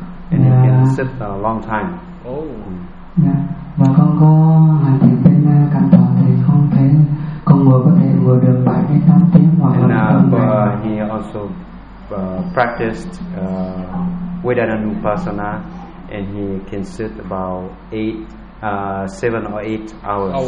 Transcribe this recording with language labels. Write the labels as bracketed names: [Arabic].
[English] And yeah. He can sit a long time. Oh. [Vietnamese] Và con có hành thiền trên cảm thọ thì không thể con ngồi có thể ngồi được 7 đến 8 tiếng hoặc là [English] he also practiced Vedananupassana and he can sit about 7 or 8 hours.